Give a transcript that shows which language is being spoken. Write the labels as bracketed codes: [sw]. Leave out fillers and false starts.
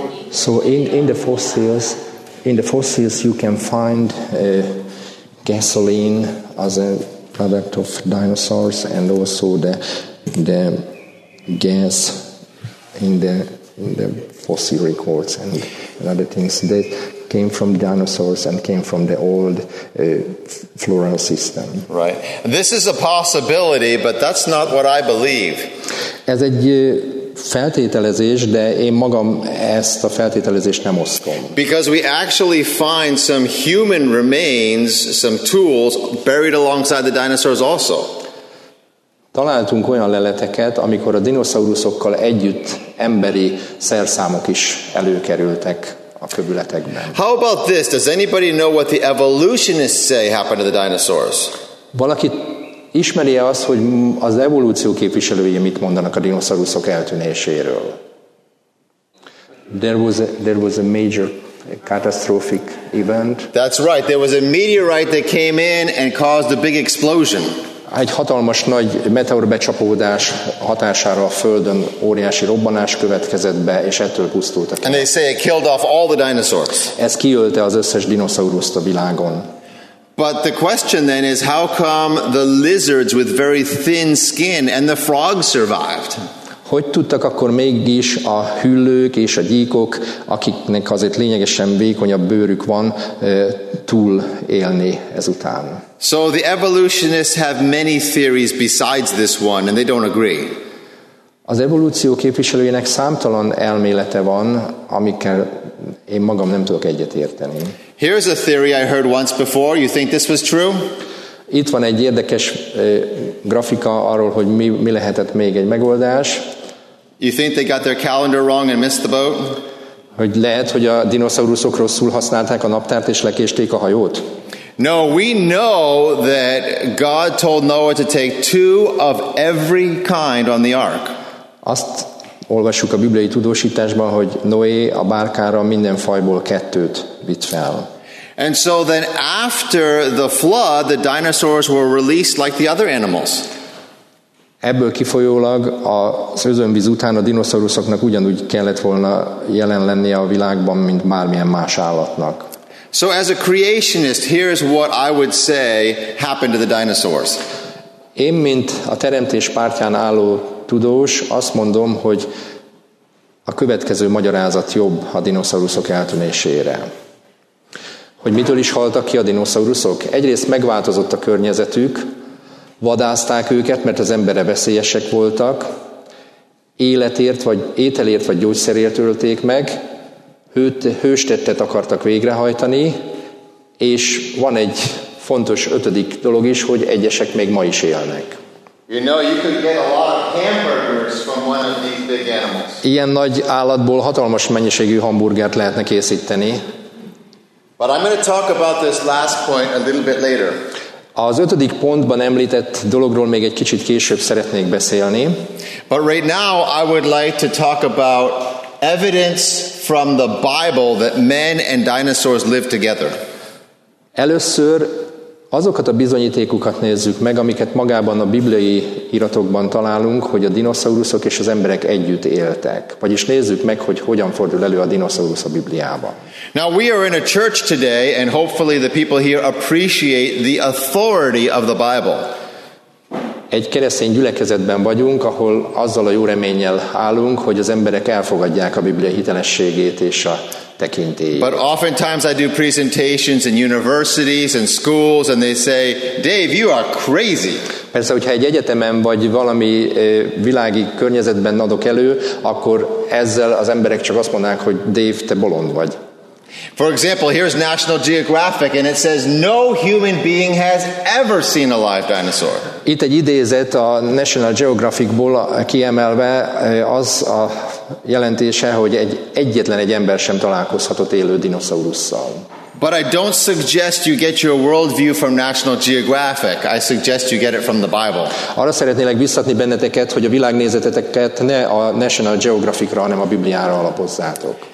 [en] So in the fossils you can find gasoline as a product of dinosaurs, and also the gas in the fossil records and other things that came from dinosaurs and came from the old floral system. Right. This is a possibility, but that's not what I believe. [hu] Ez egy feltételezés, de én magam ezt a feltételezést nem osztom. [en] Because we actually find some human remains, some tools buried alongside the dinosaurs also. [hu] Találtunk olyan leleteket, amikor a dinoszauruszokkal együtt emberi szerszámok is előkerültek a kövületekben. [en] How about this? Does anybody know what the evolutionists say happened to the dinosaurs? [hu] Valaki ismeri-e azt, hogy az evolúció képviselői mit mondanak a dinoszauruszok eltűnéséről? [en] There was a major catastrophic event. That's right. There was a meteorite that came in and caused a big explosion. [hu] Egy hatalmas nagy meteor becsapódás hatására a Földön óriási robbanás következett be, és ettől pusztultak. [en] And they say it killed off all the dinosaurs. [hu] Ez kiölte az összes dinoszauruszt a világon. [en] But the question then is, how come the lizards with very thin skin and the frogs survived? [hu] Hogy tudtak akkor mégis a hüllők és a gyíkok, akiknek azért lényegesen vékonyabb bőrük van, túl élni ezután? [en] So the evolutionists have many theories besides this one, and they don't agree. [hu] Az evolúció képviselőinek számtalan elmélete van, amikkel én magam nem tudok egyetérteni. [en] Here's a theory I heard once before. You think this was true? [hu] Itt van egy érdekes grafika arról, hogy mi lehetett még egy megoldás. [en] You think they got their calendar wrong and missed the boat? [hu] Hogy lehet, hogy a dinoszauruszok rosszul használták a naptárt és lekésték a hajót? [en] No, we know that God told Noah to take two of every kind on the ark. [hu] Azt olvassuk a bibliai tudósításban, hogy Noé a bárkára minden fajból kettőt vitt fel. [en] And so then after the flood, the dinosaurs were released like the other animals. [hu] Ebből kifolyólag a szőzőmvíz után a dinoszauruszoknak ugyanúgy kellett volna jelen lennie a világban, mint bármilyen más állatnak. [en] So as a creationist, here's what I would say happened to the dinosaurs. [hu] Én, mint a teremtés pártján álló tudós, azt mondom, hogy a következő magyarázat jobb a dinoszauruszok eltűnésére. Hogy mitől is haltak ki a dinoszauruszok? Egyrészt megváltozott a környezetük, vadázták őket, mert az emberre veszélyesek voltak, életért, vagy ételért, vagy gyógyszerért ölték meg, hőstettet akartak végrehajtani, és van egy fontos ötödik dolog is, hogy egyesek még ma is élnek. [en] You know, you could get a lot of hamburgers from one of these big animals. [hu] Ilyen nagy állatból hatalmas mennyiségű hamburgert lehetne készíteni. [en] But I'm going to talk about this last point a little bit later. [hu] Az ötödik pontban említett dologról még egy kicsit később szeretnék beszélni. [en] But right now I would like to talk about evidence from the Bible that men and dinosaurs lived together. [hu] Először azokat a bizonyítékokat nézzük meg, amiket magában a bibliai iratokban találunk, hogy a dinoszauruszok és az emberek együtt éltek. Vagyis nézzük meg, hogy hogyan fordul elő a dinoszaurusz a Bibliában. [en] Now we are in a church today, and hopefully the people here appreciate the authority of the Bible. [hu] Egy keresztény gyülekezetben vagyunk, ahol azzal a jó reménnyel állunk, hogy az emberek elfogadják a Biblia hitelességét és a tekintélyét. [en] But oftentimes I do presentations in universities and schools, and they say, Dave, you are crazy. [hu] Persze, hogyha egy egyetemen vagy valami világi környezetben adok elő, akkor ezzel az emberek csak azt mondják, hogy Dave, te bolond vagy. [en] For example, here's National Geographic, and it says no human being has ever seen a live dinosaur. [hu] Itt egy idézet a National Geographicból kiemelve az a jelentése, hogy egyetlen egy ember sem találkozhatott élő dinoszaurusszal. [en] But I don't suggest you get your worldview from National Geographic. I suggest you get it from the Bible. [hu] Arra szeretnélek biztatni benneteket, hogy a világnézeteteket ne a National Geographicra, hanem a Bibliára alapozzátok.